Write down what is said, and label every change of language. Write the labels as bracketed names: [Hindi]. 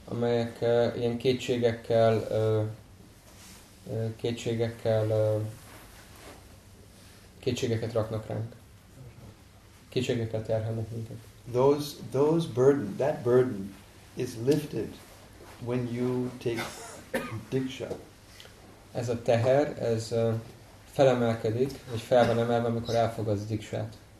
[Hungarian] Amelyek ilyen kétségeket raknak ránk. Kétségeket terhelnek minket. [English] Those burden, that burden is lifted when you take diksha. [Hungarian] Ez a teher, ez felemelkedik, vagy fel van emelve, amikor elfogadsz diksát.